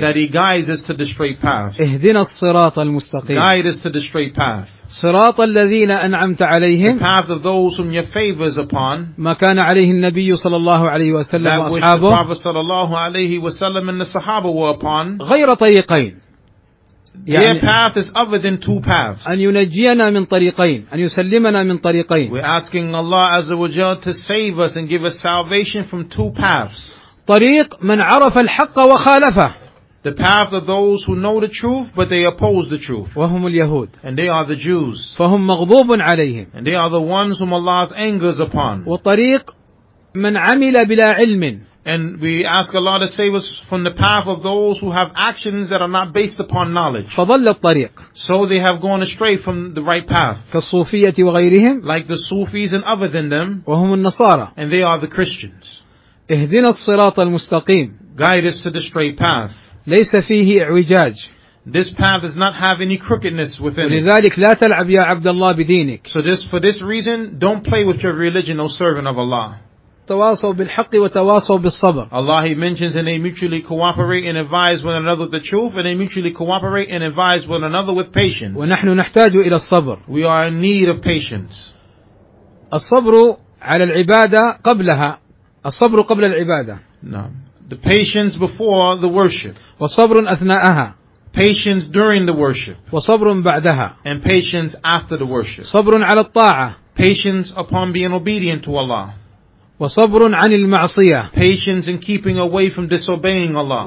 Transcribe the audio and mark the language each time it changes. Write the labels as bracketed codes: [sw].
[en] that he guides us to the straight path [ar] اهدنا الصراط المستقيم [en] guide us to the straight path [ar] صراط الذين أنعمت عليهم [en] the path of those whom your favors upon [ar] ما كان عليه النبي صلى الله عليه وسلم [en] that [ar] وأصحابه [en] that which the Prophet [ar] صلى الله عليه وسلم [en] and the Sahaba were upon [ar] غير طريقين [en] Their يعني path is other than two paths. [ar] أن ينجينا من طريقين، أن يسلمنا من طريقين. [en] We're asking Allah Azza wa Jalla to save us and give us salvation from two paths. [ar] طريق من عرف الحق وخالفه. [en] The path of those who know the truth but they oppose the truth. [ar] وهم اليهود. [en] And they are the Jews. [ar] فهم مغضوب عليهم. [en] And they are the ones whom Allah's anger is upon. [ar] وطريق من عمل بلا علم. [en] And we ask Allah to save us from the path of those who have actions that are not based upon knowledge. [ar] فضل الطريق. [en] So they have gone astray from the right path. [ar] كالصوفية وغيرهم. [en] Like the Sufis and other than them. [ar] وهم النصارى. [en] And they are the Christians. [ar] اهدنا الصراط المستقيم. [en] Guide us to the straight path. [ar] ليس فيه اعوجاج. [en] This path does not have any crookedness within it. [ar] لذلك لا تلعب يا عبد الله بدينك. [en] So this, for this reason, don't play with your religion, O servant of Allah. [ar] تواصوا بالحق وتواصوا بالصبر. [en] Allah, He mentions, and they mutually cooperate and advise one another with the truth, and they mutually cooperate and advise one another with patience. [ar] ونحن نحتاج إلى الصبر. [en] We are in need of patience. [ar] الصبر على العبادة قبلها. الصبر قبل العبادة. نعم. [en] The patience before the worship. [ar] وصبر أثناءها. [en] Patience during the worship. [ar] وصبر بعدها. [en] And patience after the worship. [ar] صبر على الطاعة. [en] Patience upon being obedient to Allah. [ar] وصبر عن المعصية. [en] Patience in keeping away from disobeying Allah.